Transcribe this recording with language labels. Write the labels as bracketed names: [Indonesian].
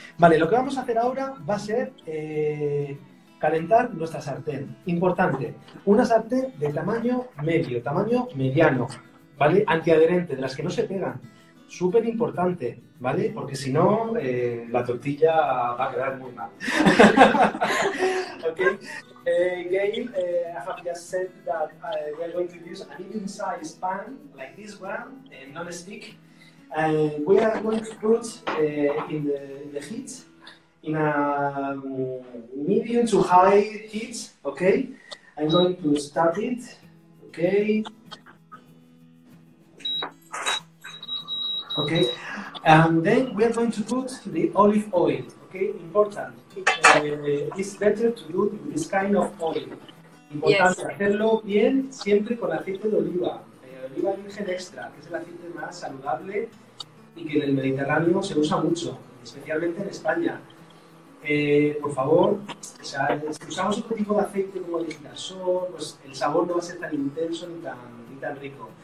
[Spanish] Vale, lo que vamos a hacer ahora va a ser calentar nuestra sartén. Importante, una sartén de tamaño medio, tamaño mediano, ¿vale? Antiadherente, de las que no se pegan. Súper importante, ¿vale? Porque si no, la tortilla va a quedar muy mal. [English] Okay. Gail, I have just said that we are going to use a medium size pan like this one, non-stick. And we are going to put in the heat in a medium to high heat, okay? I'm going to start it, okay? Okay, and then we are going to put the olive oil, okay? Important. It's better to do this kind of oil. Important, yes. [Spanish] Hacerlo bien siempre con aceite de oliva. Oliva virgen extra, que es el aceite más saludable y que en el Mediterráneo se usa mucho, especialmente en España. Por favor, o sea, si usamos otro tipo de aceite como el girasol, pues el sabor no va a ser tan intenso ni tan rico.